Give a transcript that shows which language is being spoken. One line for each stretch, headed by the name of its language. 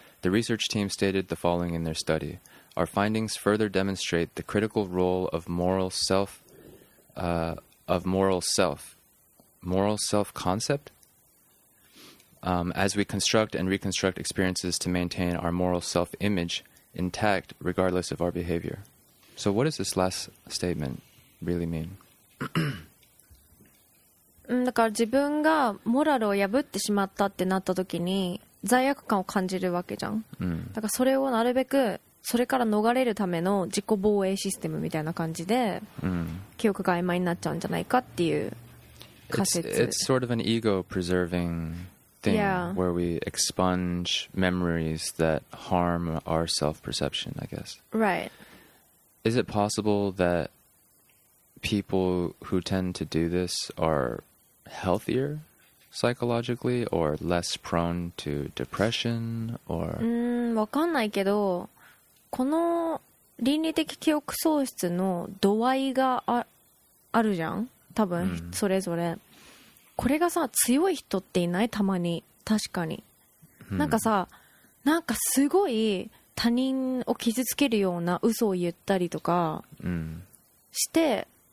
English: The research team stated the following in their study: Our findings further demonstrate the critical role of moral self concept. As we construct and reconstruct experiences to maintain our moral self-image intact, regardless of our behavior. So what does this last statement really mean?
Japanese: だから自分がモラルを破ってしまったってなった時に罪悪感を感じるわけじゃん。だからそれをなるべくそれから逃れるための自己防衛システムみたいな感じで記憶が曖昧になっちゃうんじゃないかっていう仮説。
English: It's sort of an ego-preserving... thing where we expunge memories that harm our self-perception, I guess. Right. Is it possible that people who tend to do this are healthier psychologically or less prone to depression or...
Japanese: わかんないけど、この倫理的記憶喪失の度合いがあるじゃん。多分それぞれ、うん、これがさ強い人っていない、たまに。確かに、うん、なんかさ、なんかすごい他人を傷つけるような嘘を言ったりとかして、